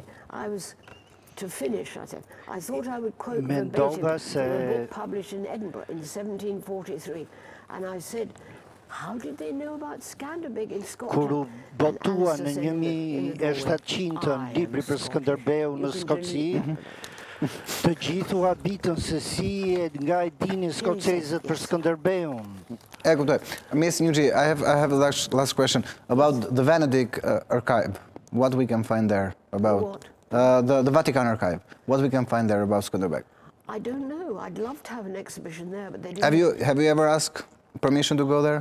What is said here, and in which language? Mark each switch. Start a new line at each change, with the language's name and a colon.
English: I was, to finish, I said, I thought I would quote verbatim from a book published in Edinburgh in 1743, and I said, how did they know about Skanderbeg in Scotland?
Albanian: Kur u botua në 1700-ën libri për Skënderbeu në Skoci, të gjithë u habitën se si e nga e dinin skocezët për Skënderbeun. E kuptoj. Ms.
English: Njohin, I have a last question about the Venedig archive. What we can find there about the Vatican archive. What we can find there about Skënderbeu? I don't know. I'd love to have an exhibition there, but they didn't. Have you ever asked permission to go there?